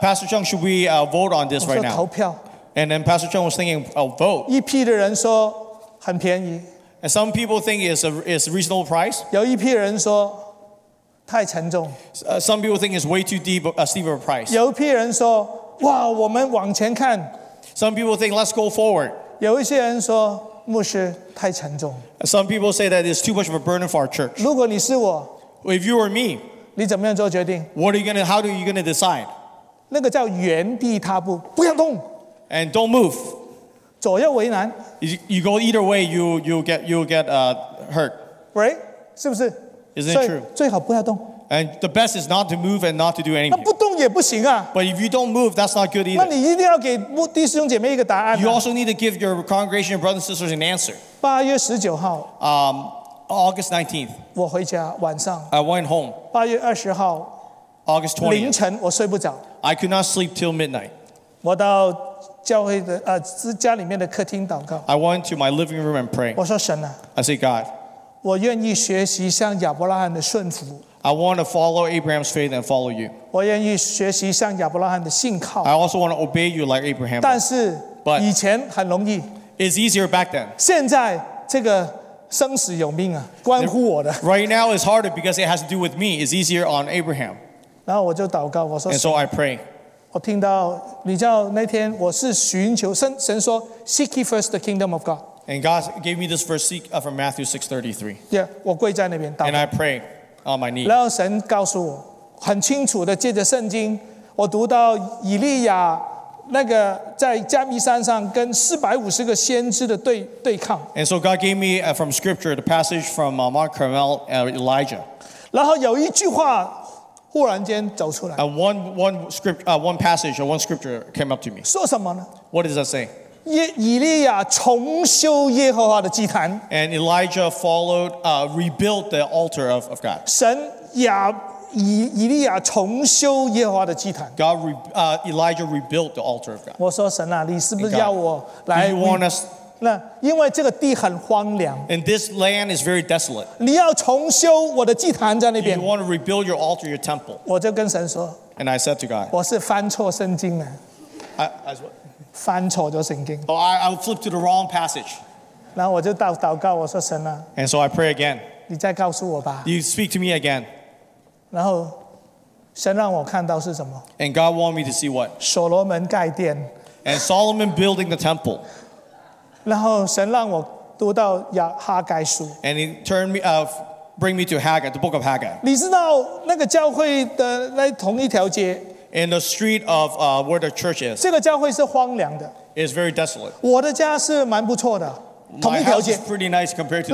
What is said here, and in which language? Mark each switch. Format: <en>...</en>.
<en>Pastor Chung, should we vote on this right now?</en> <zh>我说投票。</zh> <en>And then Pastor Chung was thinking, vote.</en> <zh>一批的人说很便宜。</zh> <en>And some people think it's a reasonable price.</en> <zh>有一批人说太沉重。</zh> <en>Some people think it's way too deep, a steep of a price.</en> <zh>有一批人说哇，我们往前看。</zh> <en>Some people think let's go forward.</en> <zh>有一些人说牧师太沉重。</zh> <en>Some people say that it's too much of a burden for our church.</en> <zh>如果你是我</zh> <en>，If you were me，</en> <zh>你怎么样做决定</zh> <en>？What are you gonna? How are you gonna decide?</en> <zh>那个叫原地踏步，不要动。</zh> <en>And don't move.</en> <zh>左右为难。</zh> <en>You go either way, you get hurt. Right?</en> <zh>是不是</zh> <en>Isn't it true?</en> <zh>最好不要动。</zh> <en>And the best is not to move and not to do anything.</en> <zh>那不动也不行啊。</zh> <en>But if you don't move, that's not good either.</en> <zh>那你一定要给弟兄姐妹一个答案。</zh> <en>You also need to give your congregation, your brothers and sisters, an answer.</en> <zh>8月19号。</zh> <en>August 19th.</en> <zh>我回家晚上。</zh> <en>I went home.</en> <zh>8月20号。</zh> <en>August 20th.</en> <zh>凌晨我睡不着。</zh> <en>I could not sleep till midnight.</en> <zh>我到教会的家里面的客厅祷告。</zh> <en>I went to my living room and prayed.</en> <zh>我说神啊。</zh> <en>I say God.</en> <zh>我愿意学习像亚伯拉罕的顺服。</zh> <en>I want to follow Abraham's faith and follow you.</en> <zh>我愿意学习像亚伯拉罕的信靠。</zh> <en>I also want to obey you like Abraham.</en> <zh>但是以前很容易。</zh> <en>It's easier back then.</en> <zh>现在这个生死有命啊，关乎我的。</zh> <en>Right now it's harder because it has to do with me. It's easier on Abraham.</en> <zh>然后我就祷告，我说。</zh> <en>And so I pray.</en> <zh>我听到你叫那天我是寻求神说</zh> <en>Seek ye first the kingdom of God. And God gave me this verse from Matthew 6:33. Yeah,</en> <zh>我跪在那边祷告。</zh> <en>And I pray on my knee.</en> <zh>然后神告诉我很清楚的借着圣经我读到以利亚那个在加密山上跟450个先知的 对抗。</zh> <en>And so God gave me from scripture the passage from Mark Carmel and Elijah.</en> <zh>然后有一句话忽然间走出来。</zh> <en>One passage or one scripture came up to me.</en> <zh>说什么呢</zh> <en>？What does that say?</en> <zh>以利亚重修耶和华的祭坛。</zh> <en>And Elijah followed, rebuilt the altar of God.</en> <zh>神以利亚重修耶和华的祭坛。</zh> <en>God, Elijah rebuilt the altar of God.</en> <zh>我说神啊，你是不是要我来</zh> <en>？Do you want us?</en> <zh>那因为这个地很荒凉。</zh> <en>And this land is very desolate.</en> <zh>你要重修我的祭坛在那边。</zh> <en>You want to rebuild your altar, your temple.</en> <zh>我就跟神说。</zh> <en>And I said to God.</en> <zh>我是翻错圣经了。翻错了圣经。</zh> <en>Oh, I flipped to the wrong passage.</en> <zh>然后我就祷告我说神啊。</zh> <en>And so I pray again.</en> <zh>你再告诉我吧。</zh> <en>You speak to me again.</en> <zh>然后神让我看到是什么。</zh> <en>And God want me to see what?</en> <zh>所罗门盖殿。</zh> <en>And Solomon building the temple.</en> <zh>然后神让我读到哈该书。</zh> <en>And he turned me bring me to Haggai, the book of Haggai.</en> <zh>你知道那个教会的那同一条街。</zh> <en>In the street of where the church is.</en> <zh>这个教会是荒凉的。</zh> <en>It's very desolate.</en> <zh>我的家是蛮不错的。同一条街。</zh> <en>My house is pretty nice compared to.</en>